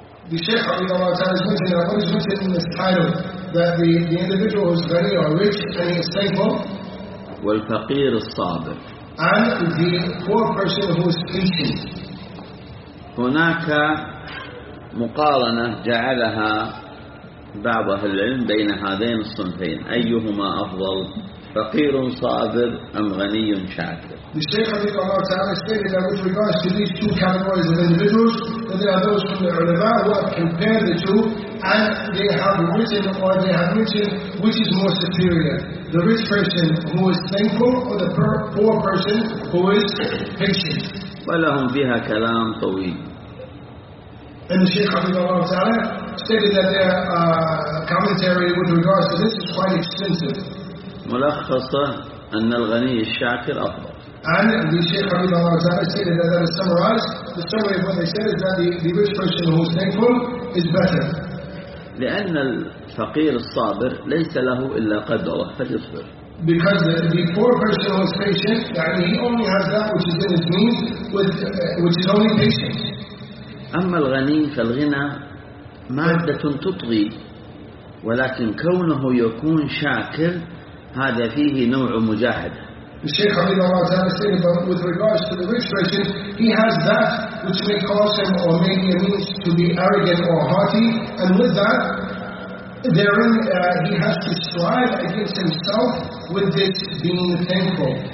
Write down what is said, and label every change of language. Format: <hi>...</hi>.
<en>The Sheikh Abdul Razak is mentioning that what is written in this title that the individual who is very or rich and he is thankful.</en> <ar>والفقير الصابر.</ar> <en>And the poor person who is patient.</en> <ar>هناك مقارنة جعلها بعض أهل العلم بين هذين الصنفين أيهما أفضل فقير صابر أم غني شاكر.</ar> <en>The Sheikh Abdul Allah Ta'ala stated that with regards to these two categories of individuals, that there are those from the ulama who have compared the two and they have written or they have mentioned which is more superior, the rich person who is thankful or the poor person who is patient.</en> <ar>ولهم فيها كلام طويل.</ar> <en>And the Sheikh Abdul Allah Ta'ala stated that their commentary with regards to this is quite extensive.</en> <ar>ملخصة أن الغني الشاكر أفضل.</ar> <en>And the Sheikh Abdul Razak stated that that is summarized. The summary of what they said is that the rich person who is thankful is better.</en> <ar>لأن الفقير الصابر ليس له إلا قدره فليصبر.</ar> <en>Because the poor person who is patient, يعني he only has that which is in his means, which is only patience.</en> <ar>أما الغني فالغنى مادة تطغي ولكن كونه يكون شاكر هذا فيه نوع مجاهدة.</ar> <en>The Sheikh Habib Allah Ta'ala stated that with regards to the rich person, he has that which may cause him or maybe a means to be arrogant or haughty, and with that, therein he has to strive against himself with this being thankful.</en>